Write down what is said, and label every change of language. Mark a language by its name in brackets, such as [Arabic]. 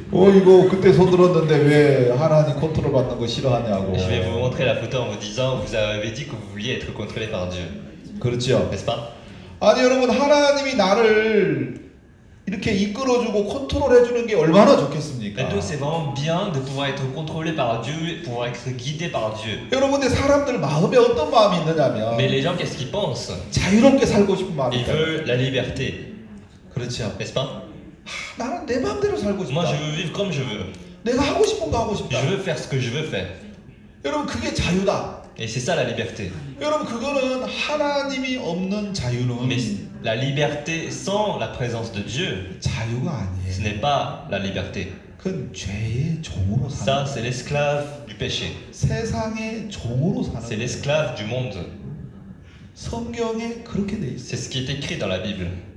[Korean] 오 이거 그때 손 들었는데 왜 하나님 컨트롤 받는 거 싫어하냐고. [French] Je vais vous montrer la photo en vous disant vous avez dit que vous vouliez être contrôlé par Dieu. [Korean] 그렇죠. [French] N'est-ce pas? [Korean] 아니 여러분 하나님이 나를 이렇게 이끌어주고 컨트롤해주는 게 얼마나 좋겠습니까? [French] Donc c'est vraiment bien de pouvoir être contrôlé par Dieu, pouvoir être guidé par Dieu. [Korean] 여러분들 사람들 마음에 어떤 마음이 있느냐면. [French] Mais les gens qu'est-ce qu'ils pensent? [Korean] 자유롭게 살고 싶은 마음. [French] Ils veulent la liberté. [Korean] 그렇죠. [French] N'est-ce pas? [Korean] 나는 내 마음대로 살고 싶다. [French] Moi je veux vivre comme je veux. [Korean] 내가 하고 싶은 거 하고 싶다. [French] Je veux faire ce que je veux faire. [Korean] 여러분 그게 자유다. [French] Et c'est ça la liberté. [Korean] 여러분 그거는 하나님이 없는 자유는. [French] Mais la liberté sans la présence de Dieu, [Korean] 자유가 아니에요. [French] Ce n'est pas la liberté. [Korean] 그건 죄의 종으로 사는. [French] Ça c'est l'esclave du péché. [Korean] 세상의 종으로 사는. [French] C'est l'esclave du monde. [Korean] 성경에 그렇게 돼 있어. [French] C'est ce qui est écrit dans la Bible.